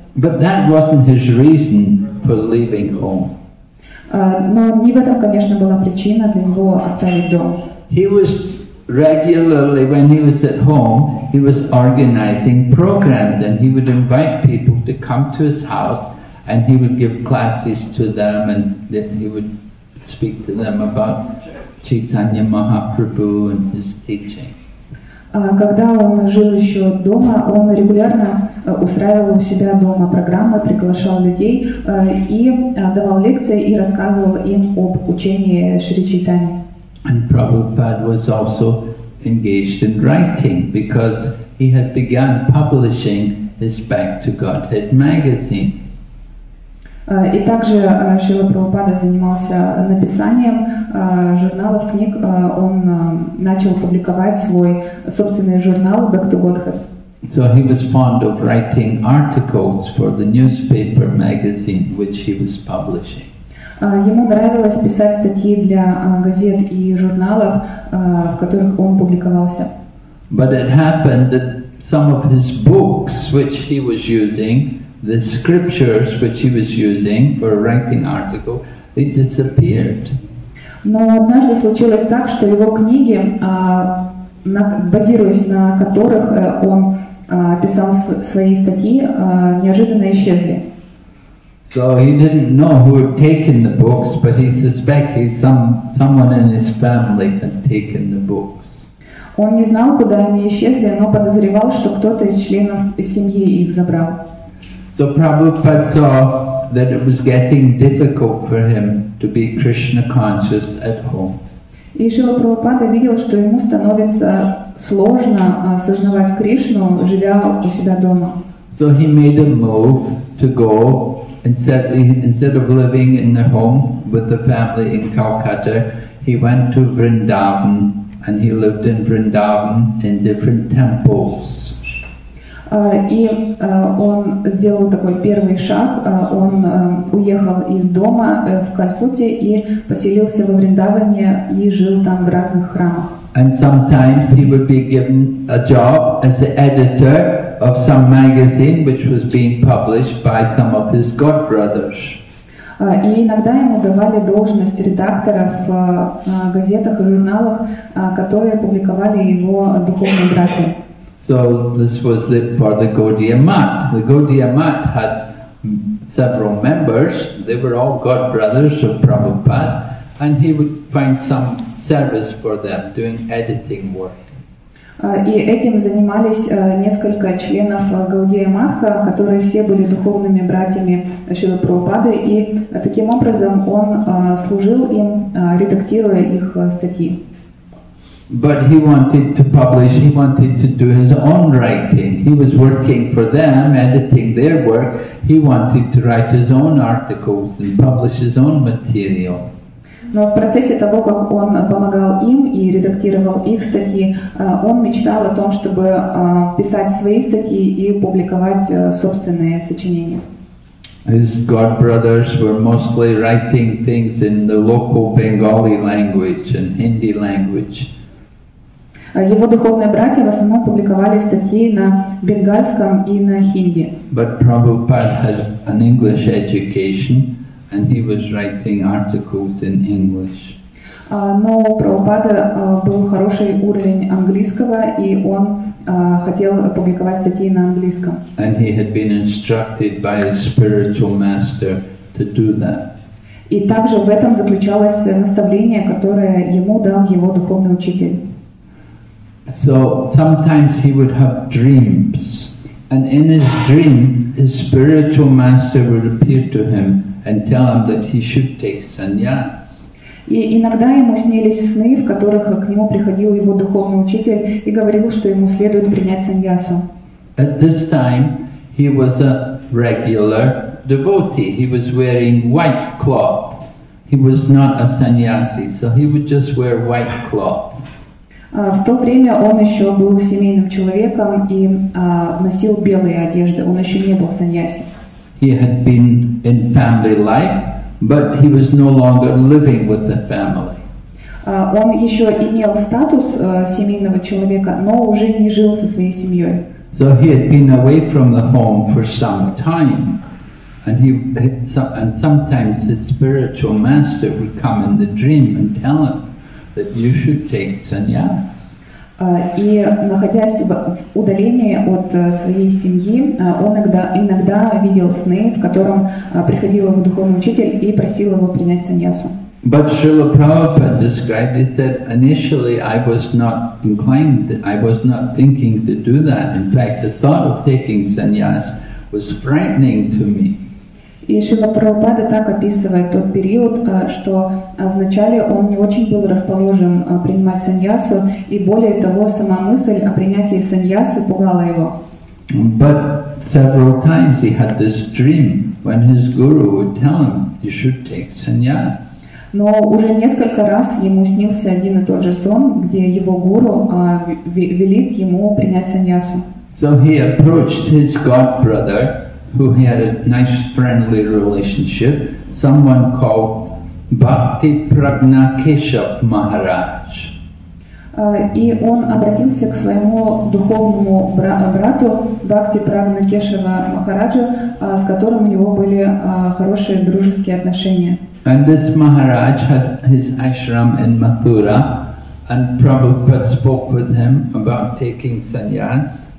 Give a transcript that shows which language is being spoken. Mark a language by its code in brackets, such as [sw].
[en] But that wasn't his reason for leaving home. [ru] Но не в этом, конечно, была причина за него оставить дом. [en] He was regularly, when he was at home, he was organizing programs, and he would invite people to come to his house, and he would give classes to them, and then he would speak to them about Чайтанья Махапрабху and his teaching. [ru] Когда он жил еще дома, он регулярно устраивал у себя дома программы, приглашал людей и давал лекции и рассказывал им об учении Шри Чайтаньи. [en] And Prabhupada was also engaged in writing because he had begun publishing his Back to Godhead magazine. [ru] И также Шрила Прабхупада занимался написанием журналов, книг. Он начал публиковать свой собственный журнал «Back to Godhead». [en] So he was fond of writing articles for the newspaper magazine, which he was publishing. [ru] Ему нравилось писать статьи для газет и журналов, в которых он публиковался. [en] But it happened that some of his books, which he was using, the scriptures which he was using for a writing article, they disappeared. [ru] Но однажды случилось так, что его книги, базируясь на которых он писал свои статьи, неожиданно исчезли. [en] So he didn't know who had taken the books, but he suspected someone in his family had taken the books. [ru] Он не знал, куда они исчезли, но подозревал, что кто-то из членов семьи их забрал. [en] So Prabhupada saw that it was getting difficult for him to be Krishna conscious at home. [ru] И Шрила Прабхупада видел, что ему становится сложно осознавать Кришну, живя у себя дома. [en] So he made a move to go instead of living in the home with the family in Calcutta, he went to Vrindavan and he lived in Vrindavan in different temples. [ru] Он сделал такой первый шаг. Он уехал из дома в Калькутте и поселился во Вриндаване и жил там в разных храмах. [en] And sometimes he would be given a job as the editor of some magazine which was being published by some of his godbrothers. [ru] И иногда ему давали должность редактора в газетах и журналах, которые публиковали его духовные братья. [en] So this was for the Gaudiya Math. The Gaudiya Math had several members. They were all god brothers of Prabhupada, and he would find some service for them, doing editing work. [ru] И этим занимались несколько членов Гаудия Матха, которые все были духовными братьями Шрилы Прабхупады, и таким образом он служил им, редактируя их статьи. [en] But he wanted to publish, he wanted to do his own writing. He was working for them, editing their work. He wanted to write his own articles and publish his own material. [ru] Но в процессе того, как он помогал им и редактировал их статьи, он мечтал о том, чтобы писать свои статьи и публиковать собственные сочинения. [en] His god brothers were mostly writing things in the local Bengali language and Hindi language. [ru] Его духовные братья в основном публиковали статьи на бенгальском и на хинди. [en] But Prabhupada had an English education. And he was writing articles in English. [ru] Но у Прабхупады был хороший уровень английского, и он хотел публиковать статьи на английском. [en] And he had been instructed by his spiritual master to do that. [ru] И также в этом заключалось наставление, которое ему дал его духовный учитель. [en] So sometimes he would have dreams, and in his dream, his spiritual master would appear to him and tell him that he should take sannyas. [ru] И иногда ему снились сны, в которых к нему приходил его духовный учитель и говорил, что ему следует принять саньясу. [en] At this time, he was a regular devotee. He was wearing white cloth. He was not a sannyasi, so he would just wear white cloth. [ru] В то время он еще был семейным человеком и носил белые одежды. Он еще не был саньяси. [en] He had been in family life, but he was no longer living with the family. [ru] Он еще имел статус семейного человека, но уже не жил со своей семьей. [en] So he had been away from the home for some time, and sometimes his spiritual master would come in the dream and tell him that you should take sannyas. [ru] И находясь в удалении от своей семьи, он иногда видел сны, в котором приходил его духовный учитель и просил его принять саньясу. [en] But Srila Prabhupada described it that initially I was not inclined, I was not thinking to do that. In fact, the thought of taking sannyas was frightening to me. [ru] И Шрила Прабхупада так описывает тот период, что вначале он не очень был расположен принимать саньясу, и более того, сама мысль о принятии саньясы пугала его. [en] But several times he had this dream when his guru would tell him, you should take sannyas. [ru] Но уже несколько раз ему снился один и тот же сон, где его гуру велит ему принять саньясу. [en] So he approached his god brother, who he had a nice friendly relationship, someone called Bhakti Pragna Keshav Maharaj. [ru] И он обратился к своему духовному брату Бхакти Прагна Кешава Махараджу, с которым у него были хорошие дружеские отношения. [en] And this Maharaj had his ashram in Mathura, and Prabhupada spoke with him about taking sannyas.